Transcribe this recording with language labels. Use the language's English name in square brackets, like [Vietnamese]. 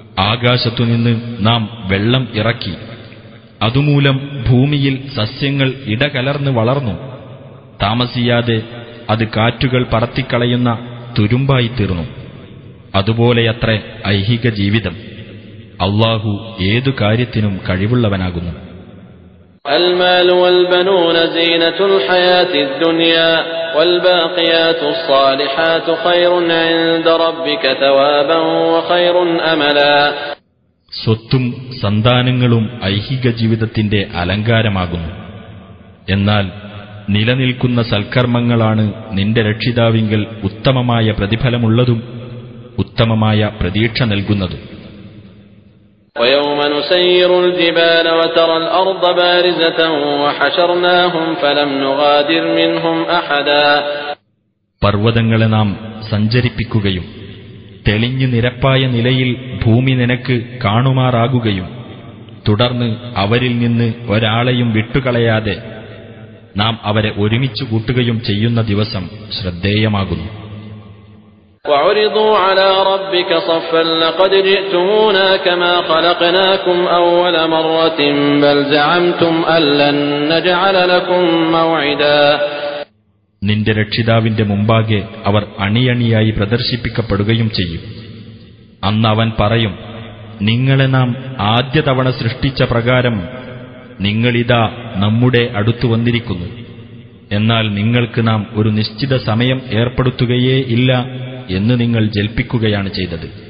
[Malayalam] ആകാശത്തു നിന്ന് നാം വെള്ളം ഇറക്കി, അതുമൂലം ഭൂമിയിൽ സസ്യങ്ങൾ ഇടകലർന്ന് വളർന്നു. താമസിയാതെ അത് കാറ്റുകൾ പറത്തിക്കളയുന്ന തുരുമ്പായിത്തീർന്നു. അതുപോലെയത്ര ഐഹിക ജീവിതം. അള്ളാഹു ഏതു കാര്യത്തിനും കഴിവുള്ളവനാകുന്നു. [Arabic] المال والبنون زينة الحياة الدنيا والباقيات الصالحات خير عند ربك ثوابا وخير املا. [Malayalam] സ്വത്തും സന്താനങ്ങളും ഐഹിക ജീവിതത്തിന്റെ അലങ്കാരമാകുന്നു. എന്നാൽ നിലനിൽക്കുന്ന സൽക്കർമ്മങ്ങളാണ് നിന്റെ രക്ഷിതാവിങ്കൽ ഉത്തമമായ പ്രതിഫലമുള്ളതും ഉത്തമമായ പ്രതീക്ഷ നൽകുന്നതും. [Arabic] وَيَوْمَ نُسَيِّرُ الْجِبَالَ وَتَرَى الْأَرْضَ بَارِزَةً وَحَشَرْنَاهُمْ فَلَمْ نُغَادِرْ مِنْهُمْ أَحَدًا. [Malayalam] പർവ്വതങ്ങളെ നാം സഞ്ചരിപ്പിക്കുകയും തെളിഞ്ഞു നിരപ്പായ നിലയിൽ ഭൂമി നിനക്ക് കാണുമാറാകുകയും തുടർന്ന് അവരിൽ നിന്ന് ഒരാളെയും വിട്ടുകളയാതെ നാം അവരെ ഒരുമിച്ച് കൂട്ടുകയും ചെയ്യുന്ന ദിവസം ശ്രദ്ധേയമാകുന്നു. [Arabic] وعرضوا على ربك صفا لقد جئتمونا كما خلقناكم اول مره بل زعمتم ان نجعل لكم موعدا. [Malayalam] നിന്റെ രക്ഷിതാവിന്റെ മുമ്പാകെ അവർ അണിയണിയായി പ്രദർശിപ്പിക്കപ്പെടുകയും ചെയ്യും. അന്ന് അവൻ പറയും, നിങ്ങളെ നാം ആദ്യ തവണ സൃഷ്ടിച്ച പ്രകാരം നിങ്ങളിതാ നമ്മുടെ അടുത്തു വന്നിരിക്കുന്നു. എന്നാൽ നിങ്ങൾക്ക് നാം ഒരു നിശ്ചിത സമയം ഏർപ്പെടുത്തുകയേ ഇല്ല എന്ന് നിങ്ങൾ ജൽപ്പിക്കുകയാണ് ചെയ്തത്.